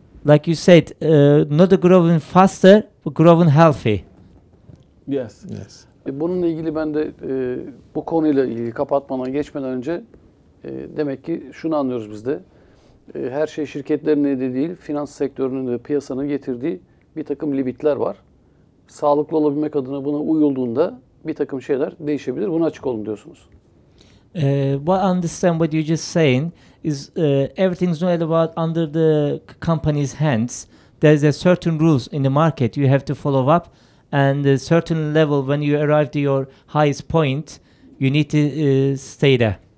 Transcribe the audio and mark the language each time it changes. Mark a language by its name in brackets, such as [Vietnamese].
[English] Like you said, not growing faster, but growing healthy. Yes. Yes. [Turkish] Bununla ilgili ben de bu konuyla ilgili kapatmadan geçmeden önce demek ki şunu anlıyoruz biz de. Her şey şirketlerin de değil, finans sektörünün de piyasanın getirdiği bir takım limitler var. Sağlıklı olabilmek adına buna uyulduğunda bir takım şeyler değişebilir. Buna açık olun diyorsunuz. [English] What I understand what you're just saying is everything's not about under the company's hands. There's a certain rules in the market you have to follow up. And a certain level, when you arrive to your highest point, you need to stay there.